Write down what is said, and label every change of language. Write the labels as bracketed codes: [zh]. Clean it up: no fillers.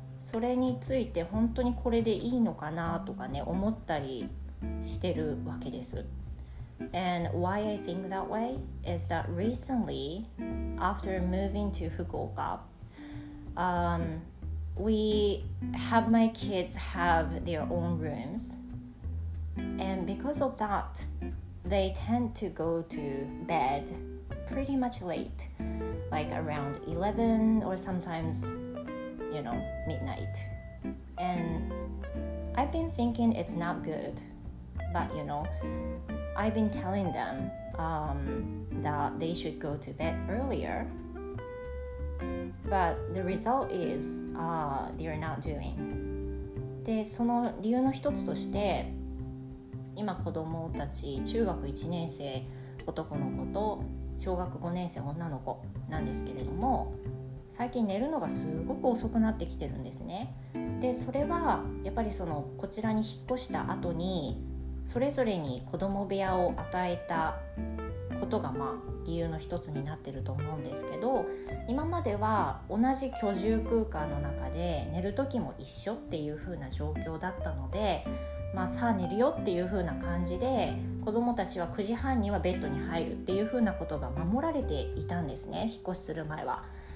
[ja] それについて本当にこれでいいのかなとかね、思ったりしてるわけです。 [en] And why I think that way is that recently, after moving to Fukuoka, we have my kids have their own rooms. And because of that, they tend to go to bed pretty much late, like around 11 or sometimes, you know, midnight. And I've been thinking it's not good, but you know, I've been telling them that they should go to bed earlier, but the result is they're not doing. [ja] で、その理由の一つとして、今子供たち中学1年生男の子と小学5年生女の子なんですけれども、最近寝るのがすごく遅くなってきてるんですね。で、それはやっぱりそのこちらに引っ越した後にそれぞれに子供部屋を与えたことが、まあ、理由の一つになってると思うんですけど、今までは同じ居住空間の中で寝る時も一緒っていう風な状況だったので、まあ、さあ寝るよっていう風な感じで子供たちは9時半にはベッドに入るっていう風なことが守られていたんですね、引っ越しする前は。